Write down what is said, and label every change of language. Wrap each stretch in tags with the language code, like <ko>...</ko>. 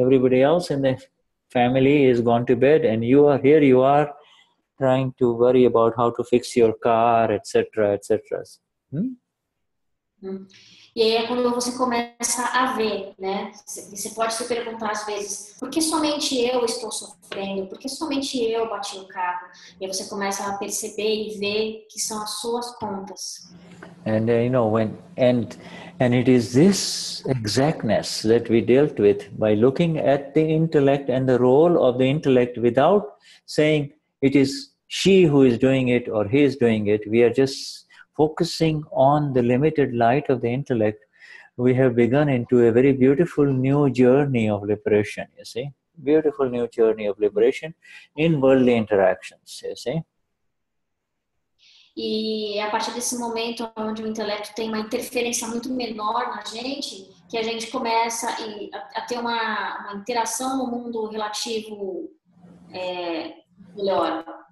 <en>Everybody else in the family is gone to bed and you are here, you are trying to worry about how to fix your car, etc., etc.</en> <pt>E aí é quando você começa a ver, né? Você pode se perguntar às vezes, por que somente eu estou sofrendo? Por que somente eu bati o carro? E aí você começa a perceber e ver que são as suas contas.</pt> <en>And you know, when it is this exactness that we dealt with by looking at the intellect and the role of the intellect without saying it is she who is doing it or he is doing it. We are just focusing on the limited light of the intellect. We have begun into a very beautiful new journey of liberation, you see. Beautiful new journey of liberation in worldly interactions, you see.</en> <pt>E a partir desse momento onde o intelecto tem uma interferência muito menor na gente, que a gente começa a ter uma interação no mundo relativo melhor.</pt>